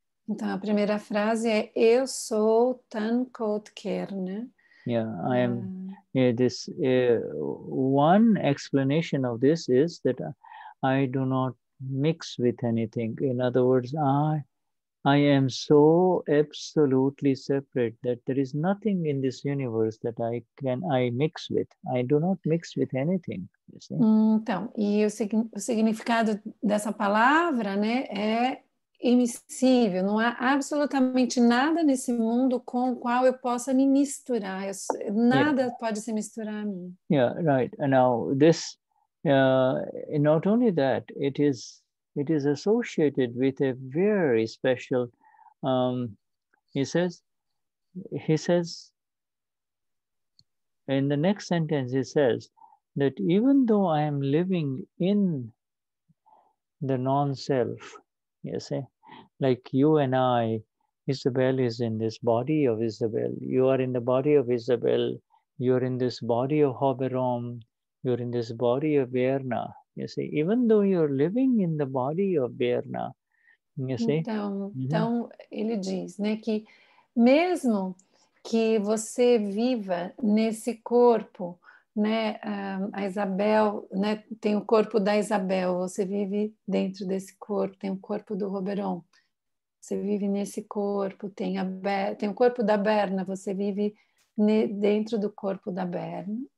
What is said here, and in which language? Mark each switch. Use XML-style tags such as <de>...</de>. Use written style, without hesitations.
<pt>Então, a primeira frase é eu sou Tankot Kerna.</pt> <en>One explanation of this is that I do not mix with anything. In other words, I am so absolutely separate that there is nothing in this universe that I mix with. I do not mix with anything. You see?</en> <pt>Então, e o significado dessa palavra, né, é imiscível, não há absolutamente nada nesse mundo com o qual eu possa me misturar, pode se misturar a mim.</pt> <en>Now this not only that, it is associated with a very special he says in the next sentence, he says that even though I am living in the non-self, you see, like you and I, Isabel is in this body of Isabel. You are in the body of Isabel. You're in this body of Hoberom. You're in this body of Berna. You see, even though you're living in the body of Berna, you see.</en> <pt>Então, ele diz, né, que mesmo que você viva nesse corpo, né, a Isabel, né, tem o corpo da Isabel, você vive dentro desse corpo, tem o corpo do Roberon, você vive nesse corpo, tem o corpo da Berna, você vive dentro do corpo da Berna.</pt>